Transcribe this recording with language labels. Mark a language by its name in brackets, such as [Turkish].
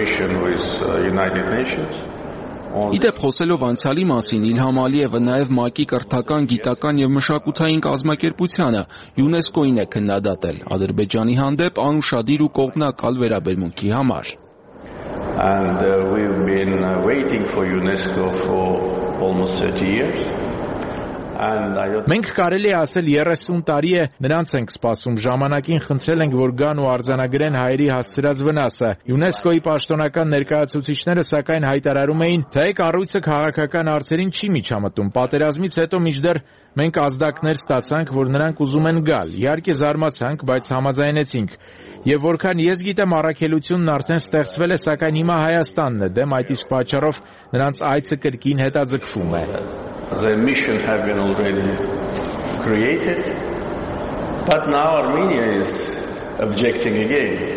[Armenian] Իդեպ խոսելով անցյալի մասին, Իլհամ Ալիևը նաև ՄԱԿ-ի կրթական, գիտական և մշակութային կազմակերպությանը ՅՈՒՆԵՍԿՕ-ին է քննադատել Ադրբեջանի հանդեպ անուշադիր ու կողմնակալ վերաբերմունքի համար։ [English] And we've been waiting for UNESCO for almost 30 years. [Armenian] Մենք կարելի ասել 30 տարի է նրանց ենք սպասում, ժամանակին խնդրել ենք, որ գան ու արձանագրեն հայերի հասցրած վնասը։ ՅՈՒՆԵՍԿՕ-ի պաշտոնական ներկայացուցիչները սակայն հայտարարում էին, թե կառույցը քաղաքական հարցերին չի միջամտում։ Պատերազմից հետո միջդեռ մենք ազդակներ ստացանք, որ նրանք ուզում են գալ։ Իհարկե զարմացանք, բայց համաձայնեցինք։ Եվ որքան ես գիտեմ, առաքելությունն արդեն ստեղծվել է, սակայն հիմա Հայաստանն է, դեմ այդ իսկ պատճառով նրանց այցը կրկին հետաձգվում է։ [English] The mission have been already created, but now Armenia is objecting again.